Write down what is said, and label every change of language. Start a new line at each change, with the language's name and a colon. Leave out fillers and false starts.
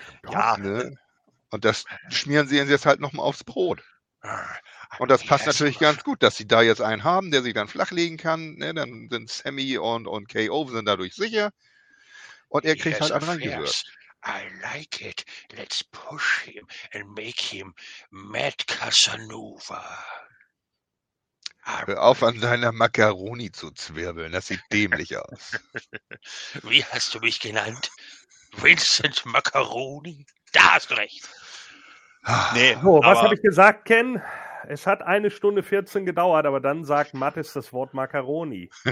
German: Ja. Ne? Und das schmieren sie jetzt halt nochmal aufs Brot. Und das passt natürlich ganz gut, dass sie da jetzt einen haben, der sich dann flachlegen kann. Ne? Dann sind Sammy und KO sind dadurch sicher. Und er kriegt halt anreingewürzt.
English: I like it. Let's push him and make him Matt Casanova.
German: Hör auf, an deiner Macaroni zu zwirbeln. Das sieht dämlich aus. Wie hast du mich genannt? Vincent Macaroni? Da hast du recht. Nee, oh, was habe ich gesagt, Ken? Es hat eine Stunde 14 gedauert, aber dann sagt Mattis das Wort Macaroni.